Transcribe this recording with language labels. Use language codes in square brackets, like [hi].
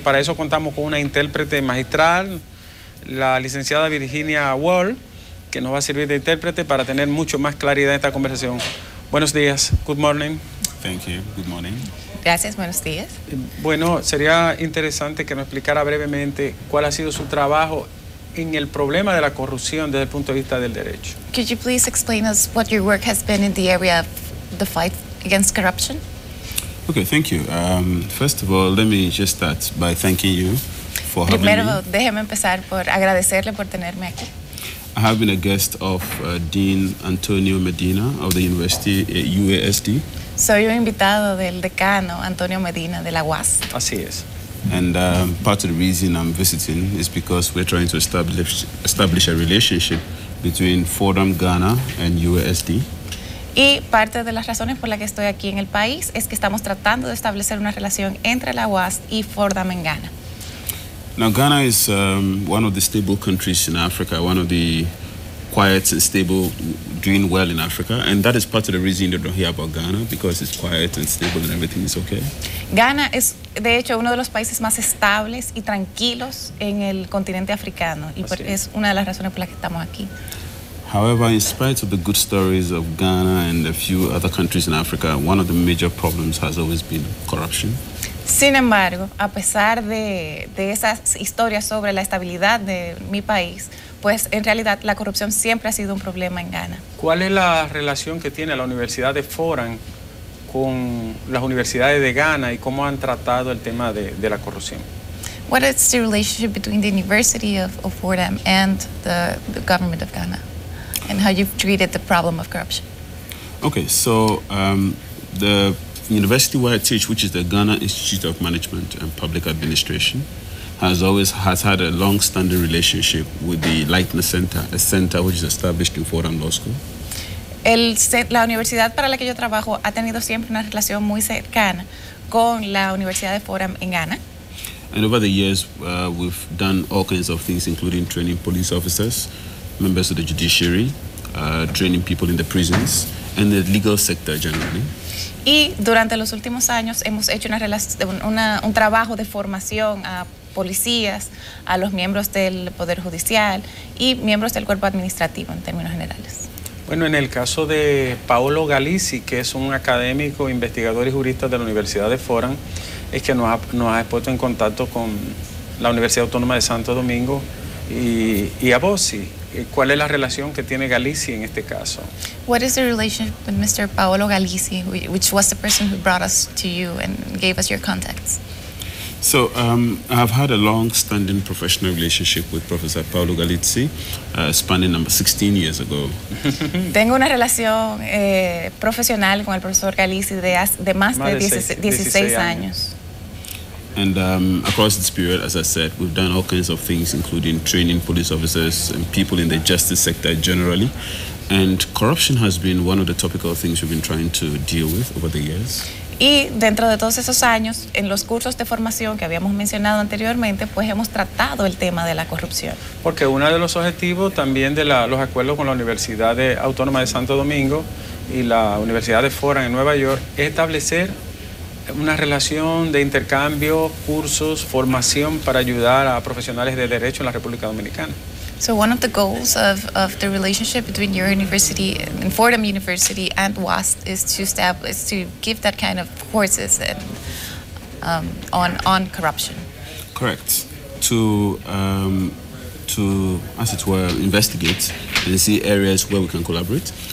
[es] Para eso contamos con una intérprete magistral, la licenciada Virginia Wall, que nos va a servir de intérprete para tener mucho más claridad en esta conversación. Buenos días. [en] Good morning. Thank you. Good morning. [es] Gracias. Buenos días. Bueno, sería interesante que nos explicara brevemente cuál ha sido su trabajo en el problema de la corrupción desde el punto de vista del derecho. [en] Could you please explain us what your work has been in the area of the fight against corruption? Okay, thank you. First of all, let me just start by thanking you for having me. [es] Primero, déjeme empezar por agradecerle por tenerme aquí. [en] I have been a guest of Dean Antonio Medina of the University UASD. [es] Soy un invitado del decano Antonio Medina de la UAS. Así es. [en] And part of the reason I'm visiting is because we're trying to establish a relationship between Fordham Ghana and UASD. [es] Y parte de las razones por las que estoy aquí en el país es que estamos tratando de establecer una relación entre la UAS y Fordham en Ghana. [en] Now, Ghana is one of the stable countries in Africa, one of the quiet and stable, doing well in Africa. And that is part of the reason you don't hear about Ghana, because it's quiet and stable and everything is okay. [es] Ghana es, de hecho, uno de los países más estables y tranquilos en el continente africano. Y es una de las razones por las que estamos aquí. [en] However, in spite of the good stories of Ghana and a few other countries in Africa, one of the major problems has always been corruption. [es] Sin embargo, a pesar de esas historias sobre la estabilidad de mi país, pues en realidad la corrupción siempre ha sido un problema en Ghana. ¿Cuál es la relación que tiene la Universidad de Fordham con las universidades de Ghana y cómo han tratado el tema de la corrupción? [en] What is the relationship between the University of Fordham and the government of Ghana? And how you've treated the problem of corruption? Okay, so the university where I teach, which is the Ghana Institute of Management and Public Administration, has had a long-standing relationship with the Leitner Center, a center which is established in Fordham Law School. [es] La universidad para la que yo trabajo ha tenido siempre una relación muy cercana con la Universidad de Fordham en Ghana. [en] And over the years, we've done all kinds of things, including training police officers, members of the judiciary, training people in the prisons, and the legal sector generally. [es] Y durante los últimos años hemos hecho un trabajo de formación a policías, a los miembros del Poder Judicial y miembros del cuerpo administrativo en términos generales. Bueno, en el caso de Paolo Galici, que es un académico, investigador y jurista de la Universidad de Fordham, es que nos ha puesto en contacto con la Universidad Autónoma de Santo Domingo y a Bosi. ¿Cuál es la relación que tiene Galici en este caso? [en] What is the relationship with Mr. Paolo Galici, which was the person who brought us to you and gave us your contacts? So, I've had a long-standing professional relationship with Professor Paolo Galici, spanning number 16 years ago. [es] Tengo una relación profesional con el profesor Galici de más de 16 años. [en] And across this period, as I said, we've done all kinds of things, including training police officers and people in the justice sector generally. And corruption has been one of the topical things we've been trying to deal with over the years. [es] Y dentro de todos esos años, en los cursos de formación que habíamos mencionado anteriormente, pues hemos tratado el tema de la corrupción. Porque uno de los objetivos también de los acuerdos con la Universidad Autónoma de Santo Domingo y la Universidad de Fordham en Nueva York es establecer una relación de intercambio, cursos, formación para ayudar a profesionales de derecho en la República Dominicana. [en] So one of the goals of the relationship between your university and Fordham University and WASD is to give that kind of courses and on corruption. Correct. To to, as it were, investigate and see areas where we can collaborate.